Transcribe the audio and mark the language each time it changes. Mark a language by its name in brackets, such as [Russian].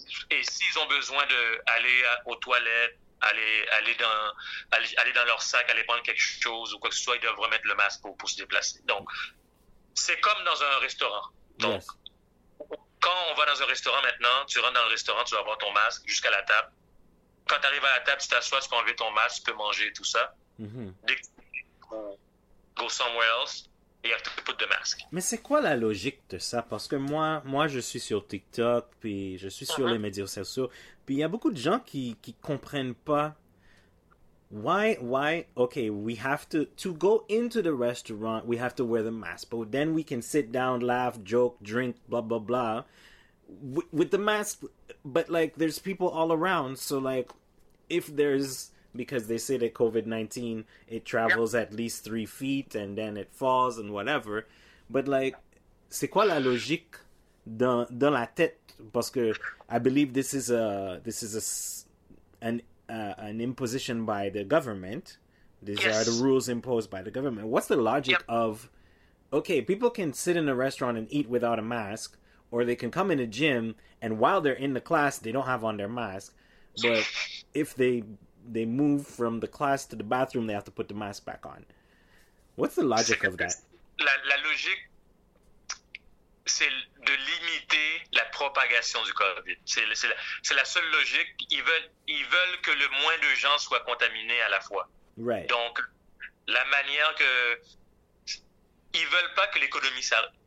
[French] Et s'ils ont besoin d'aller aux toilettes, aller dans leur sac, aller prendre quelque chose ou quoi que ce soit, ils doivent remettre le masque pour se déplacer. Donc, c'est comme dans un restaurant. Donc, quand on va dans un restaurant maintenant, tu rentres dans le restaurant, tu vas avoir ton masque jusqu'à la table. Quand tu arrives à la table, tu t'assois, tu peux enlever ton masque, tu peux manger tout ça. Dès que [English] go somewhere else, you have to put the mask. [French] Mais c'est quoi la logique de ça? Parce que moi, je suis sur TikTok, puis je suis sur les médias sociaux, puis il y a beaucoup de gens qui comprennent pas [English] Why? Okay, we have to go into the restaurant, we have to wear the mask, but then we can sit down, laugh, joke, drink, blah, blah, blah, with the mask. But, like, there's people all around. So, like, if there's, because they say that COVID-19, it travels at least 3 feet and then it falls and whatever. But, like, [French] c'est quoi la logique dans la tête? Parce que [English] I believe this is an imposition by the government. These are the rules imposed by the government. What's the logic of, okay, people can sit in a restaurant and eat without a mask, or they can come in a gym and while they're in the class, they don't have on their mask. But if they move from the class to the bathroom, they have to put the mask back on. What's the logic of that? [French] La logique, c'est de limiter la propagation du COVID. C'est la seule logique. Ils veulent que le moins de gens soient contaminés à la fois. [English] Right. [French] Donc, la manière que... Ils veulent pas que l'économie s'arrête.